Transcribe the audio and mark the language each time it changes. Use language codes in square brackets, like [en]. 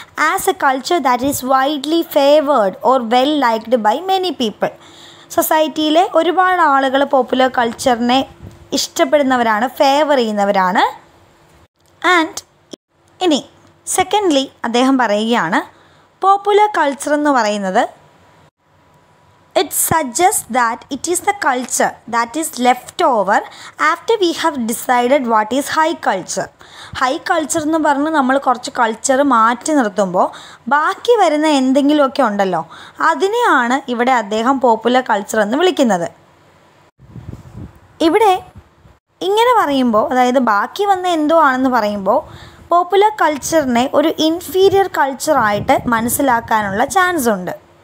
[en] As a culture that is widely favoured or well liked by many people. [ml] സൊസൈറ്റിയിലെ ഒരുപാട് ആളുകൾ popular കൾച്ചറിനെ ഇഷ്ടപ്പെടുന്നവരാണ്, favour ചെയ്യുന്നവരാണ്. And ഇനി secondly അദ്ദേഹം പറയുകയാണ്, പോപ്പുലർ കൾച്ചർ എന്ന് പറയുന്നത് [en] It suggests that it is the culture that is left over after we have decided what is high culture. [ml] High culture എന്ന് പറഞ്ഞാൽ നമ്മൾ കുറച്ച് കൾച്ചർ മാറ്റി നിർത്തുമ്പോൾ ബാക്കി വരുന്ന എന്തെങ്കിലുമൊക്കെ ഉണ്ടല്ലോ അതിനെയാണ് ഇവിടെ അദ്ദേഹം പോപ്പുലർ കൾച്ചർ എന്ന് വിളിക്കുന്നത്. ഇവിടെ ഇങ്ങനെ പറയുമ്പോൾ, അതായത് ബാക്കി വന്ന എന്തോ ആണെന്ന് പറയുമ്പോൾ പോപ്പുലർ കൾച്ചറിനെ ഒരു ഇൻഫീരിയർ കൾച്ചറായിട്ട് മനസ്സിലാക്കാനുള്ള ചാൻസ് ഉണ്ട്.